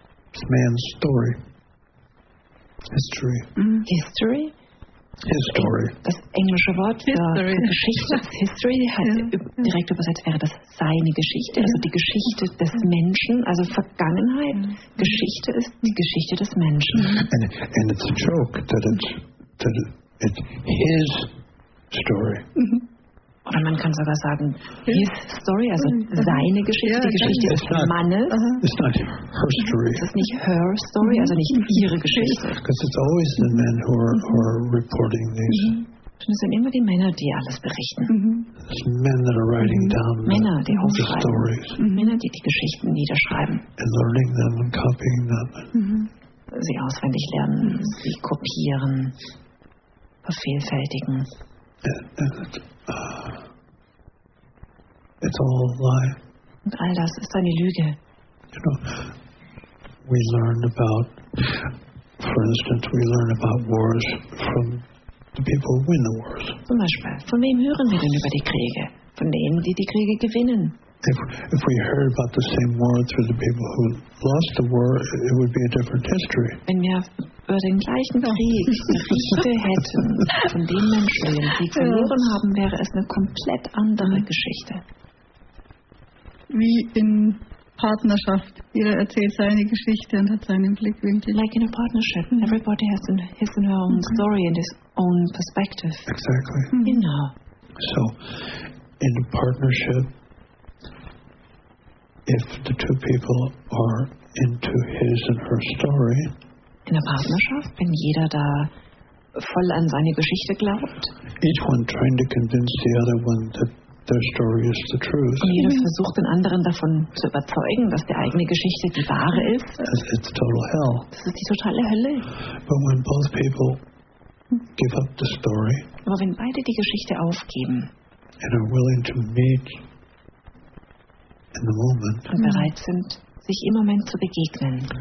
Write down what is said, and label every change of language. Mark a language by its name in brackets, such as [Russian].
[English] It's man's story. History. History? History. [German] Das englische Wort für Geschichte, History, hat direkt übersetzt wäre das seine Geschichte, also die Geschichte des Menschen, also Vergangenheit. Geschichte ist die Geschichte des Menschen. [English] And it's a joke that it's his story. [German] Oder man kann sogar sagen, [English] his story, [German] also seine Geschichte, die Geschichte des Mannes. [English] It's not her story. [German] Es ist nicht [English] her story, [German] also nicht ihre Geschichte. [English] Because it's always the men who are reporting these. [German] Es sind immer die Männer, die alles berichten. [English] It's men that are writing down [German] Männer, die aufschreiben. [English] The stories. [German] Männer, die die Geschichten niederschreiben. [English] And learning them and copying them. [German] Sie auswendig lernen, sie kopieren, vervielfältigen. [English] It's all a lie. [German] Und all das ist eine Lüge. [English] You know, we learned about, for instance, we learn about wars from the people who win the wars. [German] Zum Beispiel, von wem hören wir denn über die Kriege? Von denen, die die Kriege gewinnen. [English] If we heard about the same war through the people who lost the war, it would be a different history. [German] Wenn wir über den gleichen Krieg Geschichte hätten von den Menschen, die verloren haben, wäre es eine komplett andere Geschichte. Wie in Partnerschaft. Jeder erzählt seine Geschichte und hat seinen Blickwinkel. [English] Like in a partnership. Everybody has his and her own story and his own perspective. Exactly. [German] Genau. [English] So, in a partnership, if the two people are into his and her story, in a partnership, [German] wenn jeder da voll an seine Geschichte glaubt, [English] each one trying to convince the other one that their story is the truth, [German] und jeder versucht den anderen davon zu überzeugen, dass die eigene Geschichte die wahre ist, [English] it's total hell. [German] Das ist die totale Hölle. [English] But when both people give up the story, [German] aber wenn beide die Geschichte aufgeben [English] and are willing to meet in the moment, [German] und bereit sind, sich im Moment zu begegnen,